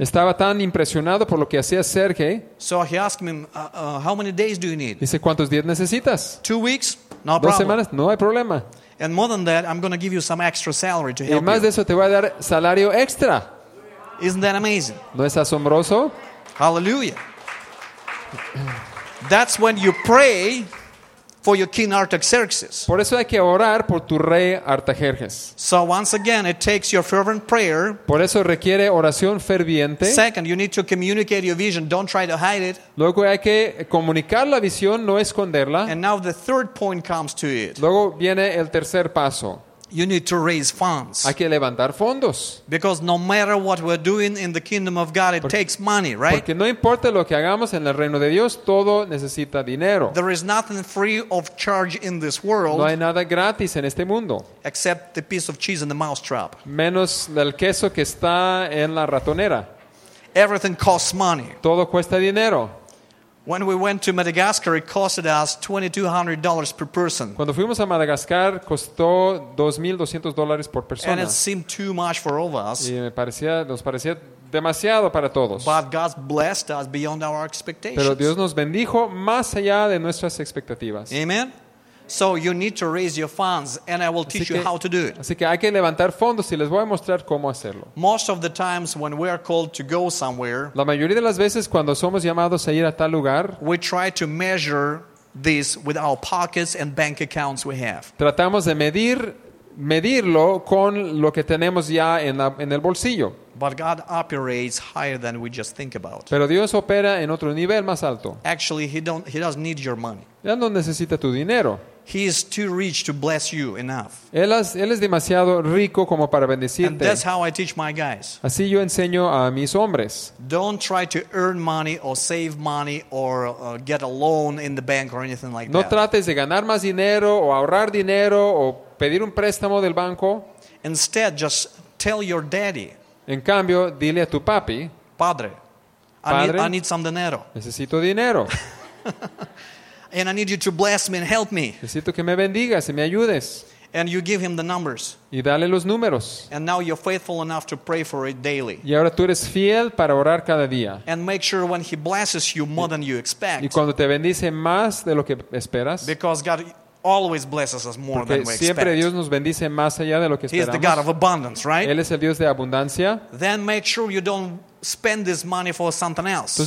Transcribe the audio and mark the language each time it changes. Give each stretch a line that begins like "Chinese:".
Spanish: Estaba tan impresionado por lo que hacía Sergey.
English: So he asked me, "How many days do you need?"
Spanish: Dice, ¿cuántos días necesitas?
English: 2 weeks, no problem.
Spanish: 2 semanas, no hay problema.
English: And more than that, I'm going to give you some extra salary to help you.
Spanish: Y más de eso te voy a dar salario extra.
English: Isn't that amazing?
Spanish: ¿No es asombroso?
English: Hallelujah. That's when you pray for your King Artaxerxes.
Spanish: Por eso hay que orar por tu rey Artajerjes.
English: So once again, it takes your fervent prayer.
Spanish: Por eso requiere oración ferviente.
English: Second, you need to communicate your vision. Don't try to hide it.
Spanish: Luego hay que comunicar la visión, no esconderla.
English: And now the third point comes to it.
Spanish: Luego viene el tercer paso.
English: You need to raise funds.
Spanish: Hay que levantar fondos.
English: Because no matter what we're doing in the kingdom of God, it takes money, right?
Spanish: Porque no importa lo que hagamos en el reino de Dios, todo necesita dinero.
English: There is nothing free of charge in this world.
Spanish: No hay nada gratis en este mundo.
English: Except the piece of cheese in the mousetrap.
Spanish: Menos el queso que está en la ratonera.
English: Everything costs money.
Spanish: Todo cuesta dinero.
English: When we went to Madagascar, it costed us $2,200 per person.
Spanish: Cuando fuimos a Madagascar, costó $2,200 por persona.
English: And it seemed too much for all of us.
Spanish: Y nos parecía demasiado para todos.
English: But God blessed us beyond our expectations.
Spanish: Pero Dios nos bendijo más allá de nuestras expectativas.
English: Amen. So you need to raise your funds, and I will teach you how to do it.
Spanish: Así que hay que levantar fondos y les voy a mostrar cómo hacerlo.
English: Most of the times when we are called to go somewhere,
Spanish: la mayoría de las veces cuando somos llamados a ir a tal lugar,
English: we try to measure this with our pockets and bank accounts we have.
Spanish: Tratamos de medirlo con lo que tenemos ya en el bolsillo.
English: But God operates higher than we just think about.
Spanish: Pero Dios opera en otro nivel más alto.
English: Actually, he doesn't need your money.
Spanish: Él no necesita tu dinero.
English: He is too rich to bless you enough.
Spanish: Él es demasiado rico como para bendecirte.
English: And that's how I teach my guys.
Spanish: Así yo enseño a mis hombres.
English: Don't try to earn money or save money or get a loan in the bank or anything like
Spanish: no
English: that.
Spanish: No trates de ganar más dinero o ahorrar dinero o pedir un préstamo del banco.
English: Instead, just tell your daddy.
Spanish: En cambio, dile a tu papi. Padre. Padre,
English: I need some dinero.
Spanish: Necesito dinero.
English: And I need you to bless me and help me.
Spanish: Necesito que me bendigas y me ayudes.
English: And you give him the numbers.
Spanish: Y dale los números.
English: And now you're faithful enough to pray for it daily.
Spanish: Y ahora tú eres fiel para orar cada día.
English: And make sure when he blesses you more than you expect.
Spanish: Y cuando te bendice más de lo que esperas.
English: Because God always blesses us more than we expect.
Spanish: Porque siempre Dios nos bendice más allá de lo que esperamos.
English: He is the God of abundance, right?
Spanish: Él es el Dios de abundancia.
English: Then make sure you don't spend this money for something else.